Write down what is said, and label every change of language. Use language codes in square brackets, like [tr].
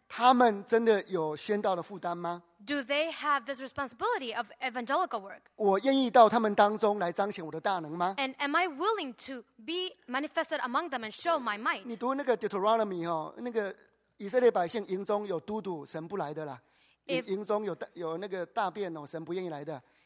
[zh] 他们真的有宣道的负担吗？ [en] Do they have this responsibility of evangelical work? [zh] 我愿意到他们当中来彰显我的大能吗？ [en] And am I willing to be manifested among them and show my might? [zh] 你读那个 Deuteronomy 哦，那个以色列百姓营中有嘟嘟，神不来的啦。 If, 营中有那个大便哦，神不愿意来的。